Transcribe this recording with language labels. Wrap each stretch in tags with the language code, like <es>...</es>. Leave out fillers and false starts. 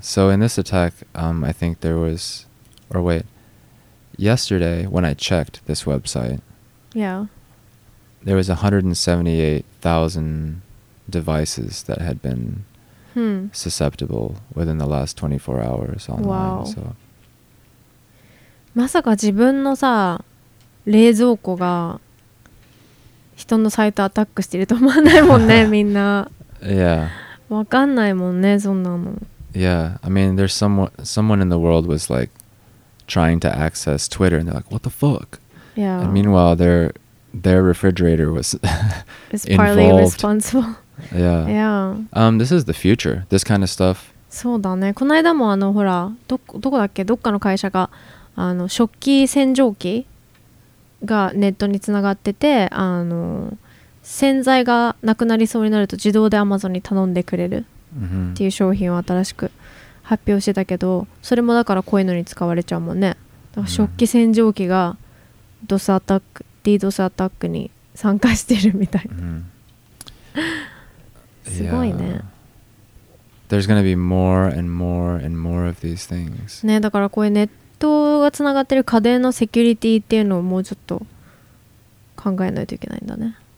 <en>So in this attack, I think there was, or wait, yesterday when I checked this website, yeah, there was 178,000 devices that had been susceptible within the last 24 hours online. Wow. So.</en> <ja>まさか自分のさ冷蔵庫が人のサイトアタックしてると思わないもんねみんな。</ja> <en>Yeah.</en> <ja>わかんないもんねそんなの。</ja> <en>Yeah, I mean there's someone in the world was like trying to access Twitter and they're like what the fuck. Yeah. And meanwhile their refrigerator was involved. It's partly responsible. Yeah. Yeah. This is the future. This kind of stuff.</en> <ja>そうだね。この間もあのほらどこだっけどっかの会社があの食器洗浄機がネットにつながっててあの洗剤がなくなりそうになると自動でアマゾンに頼んでくれるっていう商品を新しく発表してたけどそれもだからこういうのに使われちゃうもんね。だから食器洗浴機がドスアタック DDoS アタックに参加してるみたいすごいね。</ja> <en>There's gonna be more and more and more of these things</en> <ja>ね。だからこういうネット人がつながってる家電のセキュリティっていうのをもうちょっと考えないといけないんだね。</ja>